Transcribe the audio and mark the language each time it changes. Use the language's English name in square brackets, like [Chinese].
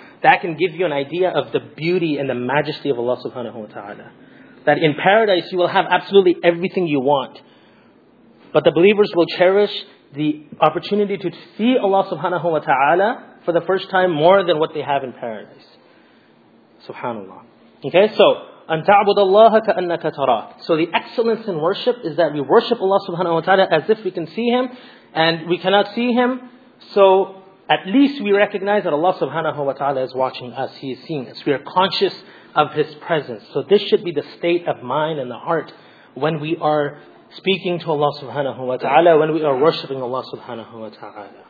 [English] That can give you an idea of the beauty and the majesty of Allah subhanahu wa ta'ala. That in paradise, you will have absolutely everything you want. But the believers will cherish the opportunity to see Allah subhanahu wa ta'ala for the first time more than what they have in paradise. [Arabic] Subhanallah. Okay, so, أن تعبد الله كأنك تراه. [English] So the excellence in worship is that we worship Allah subhanahu wa ta'ala as if we can see Him, and we cannot see Him, so at least we recognize that Allah subhanahu wa ta'ala is watching us, He is seeing us. We are conscious of His presence. So this should be the state of mind and the heart when we are speaking to Allah subhanahu wa ta'ala, when we are worshipping Allah subhanahu wa ta'ala.